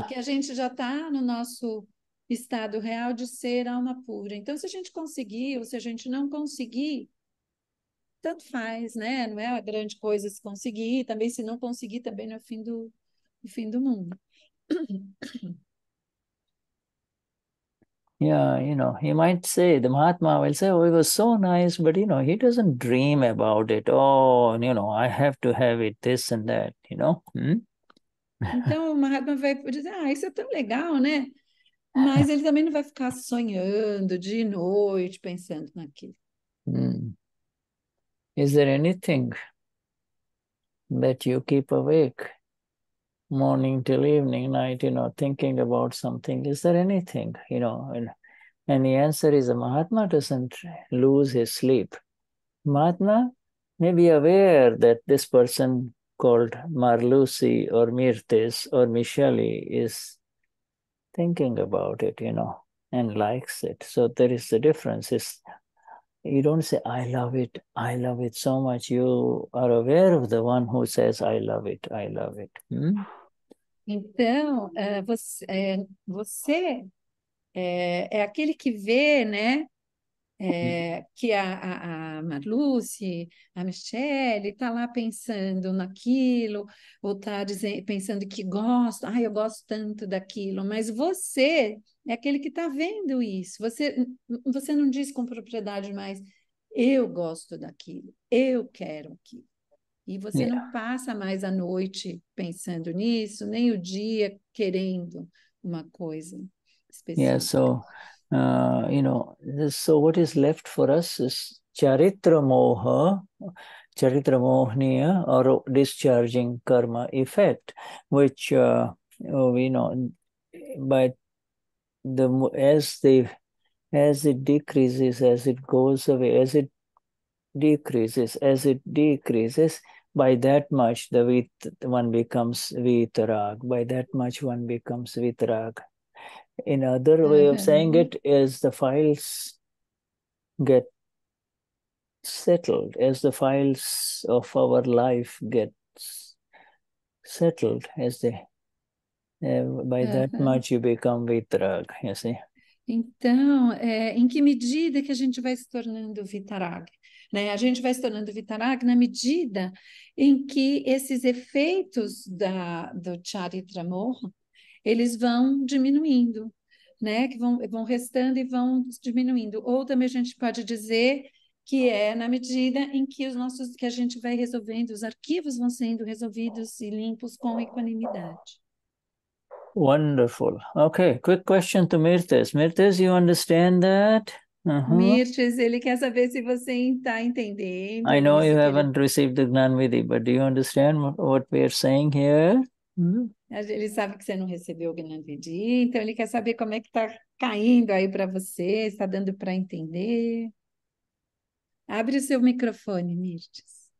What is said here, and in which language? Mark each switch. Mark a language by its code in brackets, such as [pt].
[pt] Porque a gente já está no nosso... estado real de ser alma pura. Então, se a gente conseguir ou se a gente não conseguir, tanto faz, né? Não é uma grande coisa se conseguir. Também, se não conseguir, também não é o fim do mundo. [en] Yeah, you know, he might say, the Mahatma will say, oh, it was so nice, but, you know, he doesn't dream about it. Oh, you know, I have to have it, this and that, you know? [pt] Então, o Mahatma vai dizer, ah, isso é tão legal, né? Mas ele também não vai ficar sonhando de noite, pensando naquilo. [en] Is there anything that you keep awake morning till evening, night, you know, thinking about something? Is there anything, you know? And the answer is, a Mahatma doesn't lose his sleep. Mahatma may be aware that this person called Marlusi or Mirtis or Michelli is thinking about it, you know, and likes it. So there is a difference. It's, you don't say, I love it so much. You are aware of the one who says, I love it, I love it. Hmm? [pt] Então, você é aquele que vê, né, que a Marluce, a Michelle, está lá pensando naquilo, ou está pensando que gosta, ai, eu gosto tanto daquilo, mas você é aquele que está vendo isso, você não diz com propriedade mais, eu gosto daquilo, eu quero aquilo. E você não passa mais a noite pensando nisso, nem o dia querendo uma coisa específica. [en] Yeah, so... you know, so what is left for us is charitra moha, charitra mohniya, or discharging karma effect, which we know, but as it decreases, by that much one becomes vitarag. Another way of saying it is, the files get settled, as the files of our life get settled, as they by that much you become Vitarag, you see. [pt] Então, em que medida que a gente vai se tornando Vitarag? Né? A gente vai se tornando Vitarag na medida em que esses efeitos do charitra morro, eles vão diminuindo. né, que vão restando e vão diminuindo. Ou também a gente pode dizer que é na medida em que os nossos, que a gente vai resolvendo, os arquivos vão sendo resolvidos e limpos com equanimidade. [en] Wonderful. Okay, quick question to Mirtes. Mirtes, you understand that? Uh-huh. [pt] Mirtes, ele quer saber se você está entendendo. [en] I know you haven't received the Gnanvidhi, but do you understand what we are saying here? Uh-huh. [pt] Ele sabe que você não recebeu o Gnanvidhi, então ele quer saber como é que está caindo aí para você, está dando para entender. Abre o seu microfone, Mirtes.